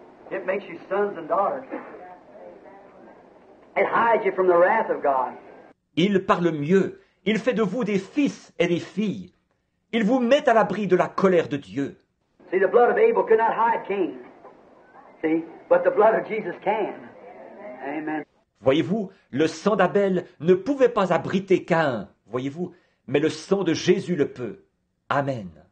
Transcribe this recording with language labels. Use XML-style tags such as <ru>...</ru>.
<en>It makes you sons and daughters. It hides you from the wrath of God.</en> <fr>Il parle mieux. Il fait de vous des fils et des filles. Il vous met à l'abri de la colère de Dieu.</fr> <en>See, the blood of Abel could not hide Cain. See, but the blood of Jesus can. Amen.</en> <fr>Voyez-vous, le sang d'Abel ne pouvait pas abriter Cain, voyez-vous, mais le sang de Jésus le peut. Amen.</fr>